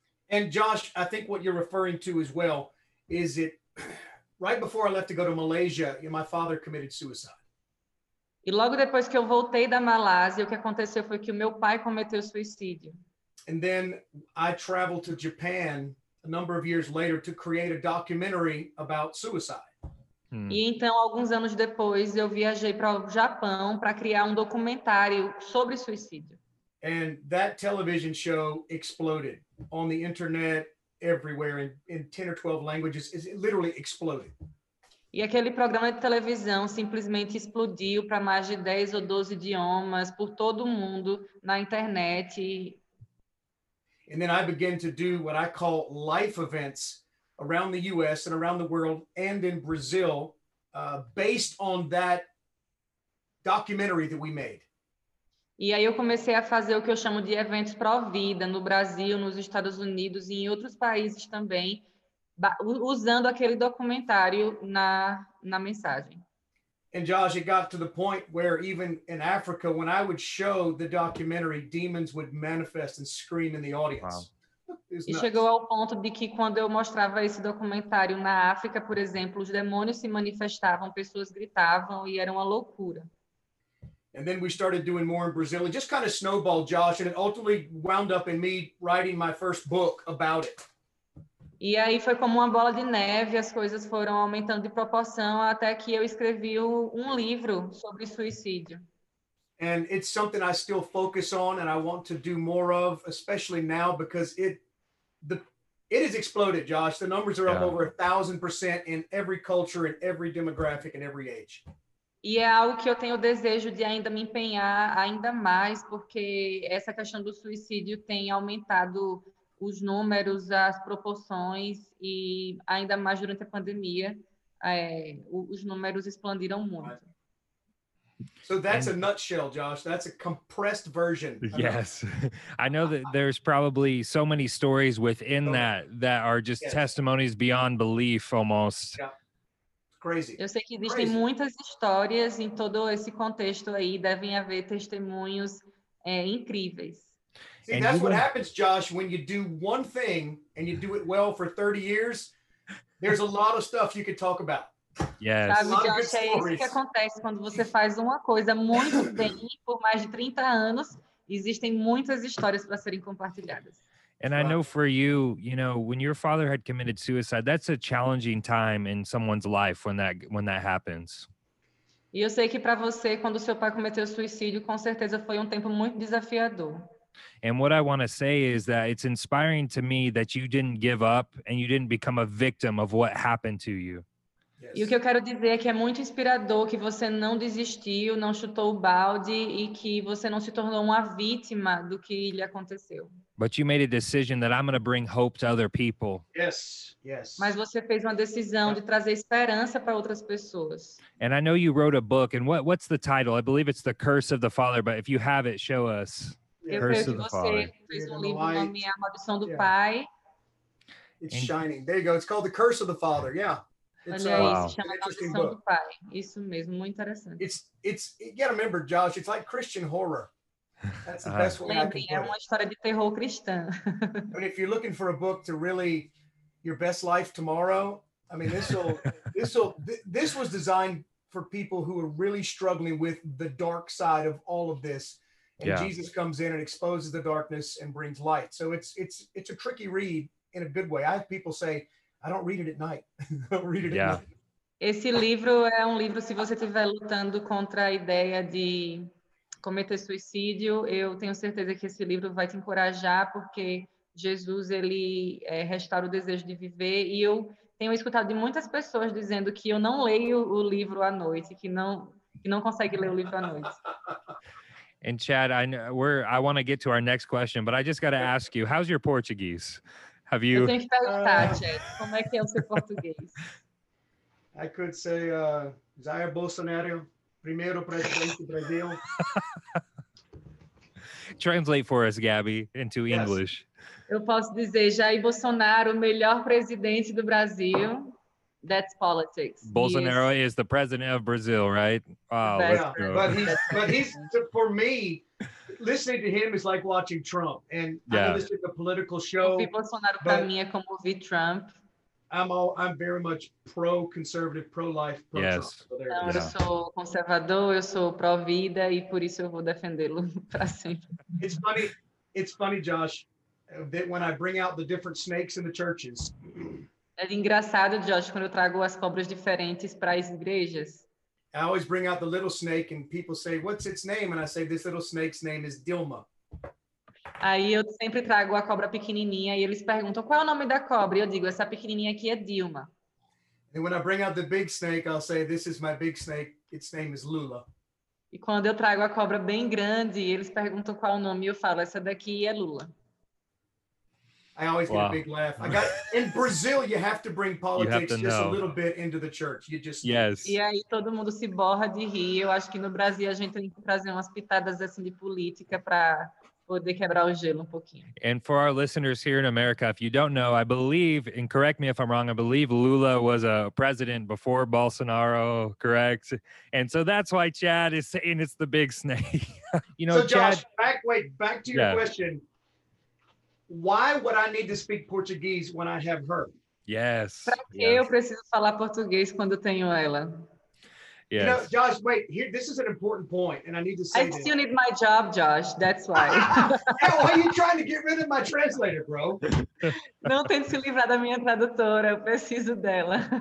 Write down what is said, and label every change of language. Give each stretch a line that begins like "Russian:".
English: And Josh, I think what you're referring to as well is it right before I left to go to Malaysia, my father committed suicide.
Portuguese: E logo depois que eu voltei da Malásia, o que aconteceu foi que o meu pai cometeu suicídio.
English: And then I traveled to Japan a number of years later to create a documentary about suicide.
Portuguese: E então, alguns anos depois, eu viajei para o Japão para criar um documentário sobre suicídio.
English: And that television show exploded on the internet everywhere in 10 or 12 languages. It literally exploded.
Portuguese: E aquele programa de televisão simplesmente explodiu para mais de 10 ou 12 idiomas por todo mundo na internet.
English: And then I began to do what I call life events around the U.S. and around the world and in Brazil, based on that documentary that we made.
Portuguese: E aí eu comecei a fazer o que eu chamo de eventos pró vida no Brasil, nos Estados Unidos e em outros países também, usando aquele documentário na mensagem.
English: And Josh, it got to the point where even in Africa, when I would show the documentary, demons would manifest and scream in the audience. Wow.
Portuguese: E chegou ao ponto de que quando eu mostrava esse documentário na África, por exemplo, os demônios se manifestavam, pessoas gritavam e era uma loucura.
English: And then we started doing more in Brazil. It just kind of snowballed, Josh, and it ultimately wound up in me writing my first book about it.
Portuguese: E aí foi como uma bola de neve, as coisas foram aumentando de proporção até que eu escrevi um livro sobre suicídio.
English: And it's something I still focus on and I want to do more of, especially now, because it has exploded, Josh. The numbers are up over 1,000% in every culture, in every demographic, in every age.
Portuguese: E é algo que eu tenho desejo de ainda me empenhar ainda mais, porque essa questão do suicídio tem aumentado os números, as proporções, e ainda mais durante a pandemia, os números expandiram muito.
English: Right. So that's a nutshell, Josh. That's a compressed version. Yes. I know that there's probably so many stories within that are just testimonies beyond belief almost. Yeah. Crazy.
Portuguese: Eu sei que existem muitas histórias em todo esse contexto aí, devem haver testemunhos incríveis.
English: See, and that's what happens, Josh, when you do one thing and you do it well for 30 years, there's a lot of stuff you could talk about. Yes.
Portuguese: Sabe, Josh, é isso que acontece quando você faz uma coisa muito bem por mais de 30 anos, existem muitas histórias para serem compartilhadas.
English: And I know for you, you know, when your father had committed suicide, that's a challenging time in someone's life when that happens.
Portuguese: E eu sei que para você, quando seu pai cometeu suicídio, com certeza foi tempo muito desafiador.
English: And what I want to say is that it's inspiring to me that you didn't give up and you didn't become a victim of what happened to you.
Portuguese: E o que eu quero dizer é que é muito inspirador que você não desistiu, não chutou o balde e que você não se tornou uma vítima do que lhe aconteceu.
English: But you made a decision that I'm going to bring hope to other people. Yes, yes.
Portuguese: Mas você fez uma decisão de trazer esperança para outras pessoas.
English: And I know you wrote a book. And what's the title? I believe it's The Curse of the Father. But if you have it, show us.
Portuguese: Yeah. Curse of the Father. Eu creio que você fez livro no nome A Maldição do Pai.
English: It's shining. There you go. It's called The Curse of the Father. Yeah. It's you gotta remember, Josh, it's like Christian horror. That's the best way I can put
Portuguese: it. É uma história de terror cristã.
English: But if you're looking for a book to really your best life tomorrow, I mean, this was designed for people who are really struggling with the dark side of all of this. And Jesus comes in and exposes the darkness and brings light. So it's a tricky read in a good way. I have people say, I don't read it at night.
Portuguese: Esse livro é livro, se você estiver lutando contra a ideia de cometer suicídio, eu tenho certeza que esse livro vai te encorajar, porque Jesus, restaura o desejo de viver. E eu tenho escutado de muitas pessoas dizendo que eu não leio o livro à noite, que não consegue ler o livro à noite.
English: And Chad, I want to get to our next question, but I just got to ask you, how's your Portuguese? Have you?
Portuguese: Eu tenho que perguntar, Chad, como é que é o seu português?
English: I could say
Portuguese: Jair Bolsonaro, primeiro presidente do Brasil.
English: Translate for us, Gabby, into English.
Portuguese: Eu posso dizer Jair Bolsonaro, melhor presidente do Brasil.
English: That's politics. Bolsonaro is the president of Brazil, right? Wow. Yeah, for me, listening to him is like watching Trump. And I know this is a political show.
Portuguese: Bolsonaro para mim é como ouvir Trump.
English: I'm very much pro-conservative, pro-life, pro-Trump. Yes.
Portuguese: So eu sou conservador, eu sou pro-vida, e por isso eu vou defendê-lo para sempre.
English: It's funny, Josh, that when I bring out the different snakes in the churches.
Portuguese: É engraçado, Josh, quando eu trago as cobras diferentes para as igrejas.
English: I always bring out the little snake and people say, what's its name? And I say, this little snake's name is Dilma.
Portuguese: Aí eu sempre trago a cobra pequenininha e eles perguntam, qual é o nome da cobra? E eu digo, essa pequenininha aqui é Dilma.
English: And when I bring out the big snake, I'll say, this is my big snake. Its name is Lula.
Portuguese: E quando eu trago a cobra bem grande, eles perguntam qual é o nome e eu falo, essa daqui é Lula.
English: I always get a big laugh. In Brazil, you have to bring politics to just a little bit into the church. You just
Portuguese: E aí todo mundo se borra de rir. Eu acho que no Brasil a gente tem que trazer umas pitadas assim de política para poder quebrar o gelo um pouquinho.
English: And for our listeners here in America, if you don't know, I believe, and correct me if I'm wrong, I believe Lula was a president before Bolsonaro, correct? And so that's why Chad is saying it's the big snake. You know, so Josh, Chad, back to your question. Why would I need to speak Portuguese when I have her? Yes.
Portuguese: Eu preciso falar português quando tenho ela?
English: Yes. You know, Josh, wait, here, this is an important point, and I need to say this. I still need my job, Josh, that's why. Yeah, why are you trying to get rid of my translator, bro?
Portuguese: Não tem se livrar da minha tradutora, eu preciso dela.